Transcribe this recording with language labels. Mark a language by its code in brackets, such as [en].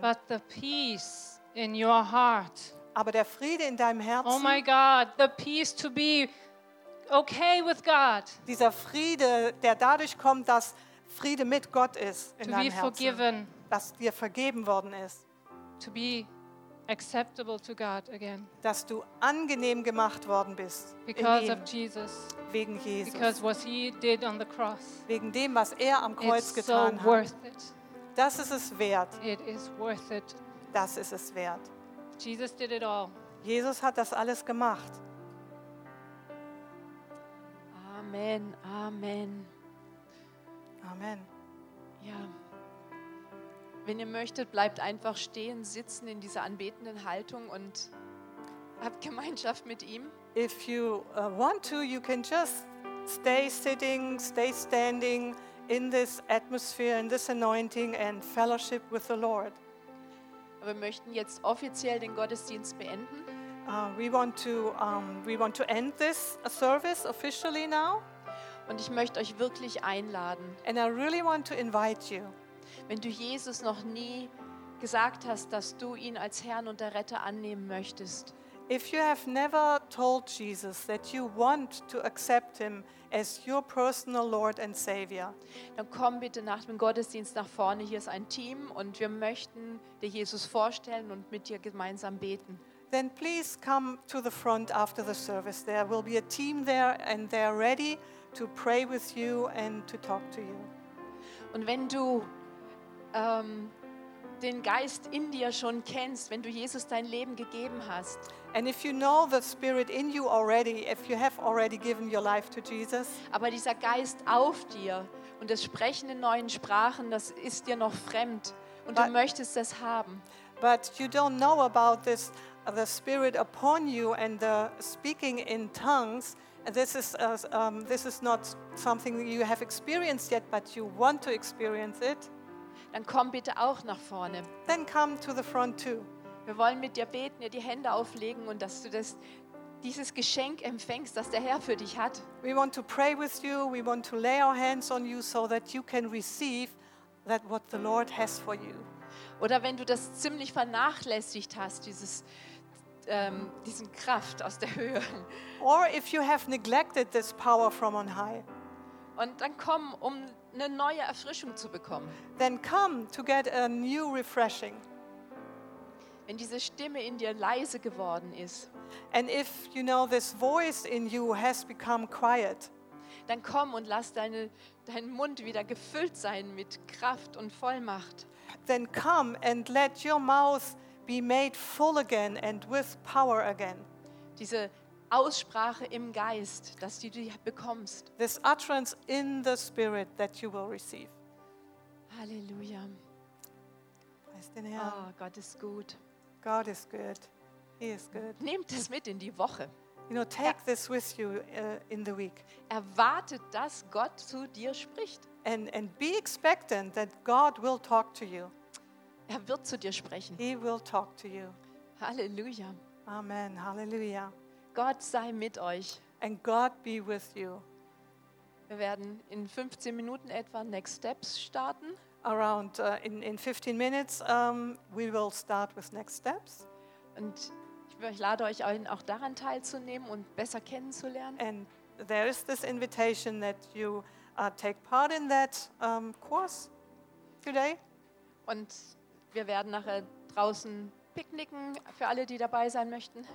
[en] But the peace in your heart. [de] Aber der Friede in deinem Herzen. [en] Oh my God, the peace to be okay with God. [de] Dieser Friede, der dadurch kommt, dass Friede mit Gott ist in deinem Herzen. [en] Forgiven. [de] Dass dir vergeben worden ist. [en] To be acceptable to God again. [de] Dass du angenehm gemacht worden bist. [en] Because of Jesus. [de] Wegen Jesus. [en] Because what he did on the cross. [de] Wegen dem, was er am Kreuz [en] It's [de] getan [en] so [de] hat. [en] Worth it. [de] Das ist es wert. [en] It is worth it. [de] Das ist es wert. [en] Jesus did it all. [de] Jesus hat das alles gemacht. Amen, Amen. Amen. Ja. Wenn ihr möchtet, bleibt einfach stehen, sitzen in dieser anbetenden Haltung und habt Gemeinschaft mit ihm. [en] If you want to, you can just stay sitting, stay standing in this atmosphere, in this anointing and fellowship with the Lord. [de] Wir möchten jetzt offiziell den Gottesdienst beenden. [en] We want to end this service officially now. [de] Und ich möchte euch wirklich einladen. [en] And I really want to invite you. [de] Wenn du Jesus noch nie gesagt hast, dass du ihn als Herrn und der Retter annehmen möchtest. [en] If you have never told Jesus that you want to accept him as your personal Lord and Savior, [de] dann komm bitte nach dem Gottesdienst nach vorne. Hier ist ein Team und wir möchten dir Jesus vorstellen und mit dir gemeinsam beten. [en] Then please come to the front after the service. There will be a team there and they're ready to pray with you and to talk to you. [de] Und wenn du den Geist in dir schon kennst, wenn du Jesus dein Leben gegeben hast. [en] And if you know the Spirit in you already, if you have already given your life to Jesus. [de] Aber dieser Geist auf dir und das Sprechen in neuen Sprachen, das ist dir noch fremd und du möchtest das haben. [en] But you don't know about this, the Spirit upon you and the speaking in tongues. This is not something you have experienced yet, but you want to experience it. [de] Dann komm bitte auch nach vorne. [en] Then come to the front too. [de] Wir wollen mit dir beten, dir die Hände auflegen und dass du das, dieses Geschenk empfängst, das der Herr für dich hat. [en] We want to pray with you. We want to lay our hands on you so that you can receive that what the Lord has for you. [de] Oder wenn du das ziemlich vernachlässigt hast, diesen Kraft aus der Höhe. [en] Or if you have neglected this power from on high. [de] Und dann komm, um eine neue Erfrischung zu bekommen. [en] Then come to get a new refreshing. [de] Wenn diese Stimme in dir leise geworden ist. [en] And if you know this voice in you has become quiet. [de] Dann komm und lass deinen Mund wieder gefüllt sein mit Kraft und Vollmacht. [en] Then come and let your mouth be made full again and with power again. [de] Diese Aussprache im Geist, dass du die bekommst. [en] This utterance in the spirit that you will receive. [de] Halleluja. Preist den Herrn. Oh, Gott ist gut. [en] God is good. He is good. [de] Nehmt es mit in die Woche. [en] You know, take this with you in the week. [de] Erwartet, dass Gott zu dir spricht. [en] And be expectant that God will talk to you. [de] Er wird zu dir sprechen. [en] He will talk to you. [de] Halleluja. Amen. Halleluja. Gott sei mit euch. [en] And God be with you. [de] Wir werden in 15 Minuten etwa Next Steps starten. [en] Around in 15 minutes we will start with Next Steps. [de] Und ich lade euch ein, auch daran teilzunehmen und besser kennenzulernen. [en] And there is this invitation that you take part in that course today. [de] Und wir werden nachher draußen picknicken für alle, die dabei sein möchten.